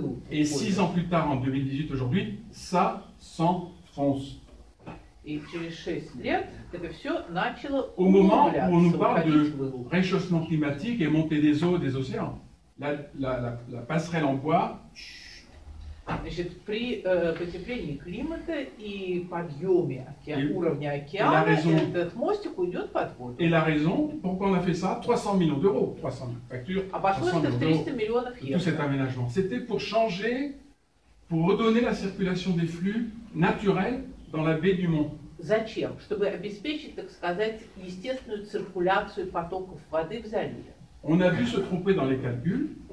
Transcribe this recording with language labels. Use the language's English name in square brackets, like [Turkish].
[French] Et 6 ans plus tard, en 2018, aujourd'hui, ça s'enfonce. [Russian] И через 6 лет это все начало уменьшаться. [French] La passerelle en bois. [Russian] Значит, при потеплении климата и подъеме уровня океана, этот мостик уйдет под воду. [French] Et la raison, pourquoi on a fait ça? 300 millions d'euros. 300 factures. Tout cet aménagement. C'était pour changer, pour redonner la circulation des flux naturels dans la baie du Mont. [Russian] Зачем? Чтобы обеспечить, так сказать, естественную циркуляцию потоков воды в заливе. [French] On a dû se tromper dans les calculs.